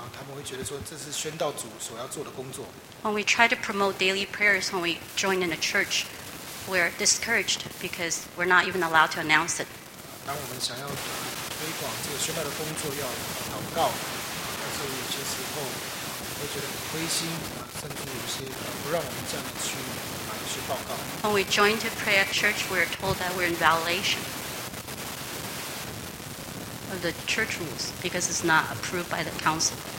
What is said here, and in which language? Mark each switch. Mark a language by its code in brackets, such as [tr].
[zh] 那我觉得现今我们的宣道工作，我有点觉得非常的沮丧，因为我们在讲宣道的工作，他们会觉得说这是宣道组所要做的工作。 [en] When we try to promote daily prayers when we join in a church, we're discouraged because we're not even allowed to announce it. [zh] 当我们想要推广这个宣道的工作要祷告，但是有些时候会觉得很灰心，甚至有些不让我们这样去。 [en] When we join to pray at church, we are told that we're in violation of the church rules because it's not approved by the council.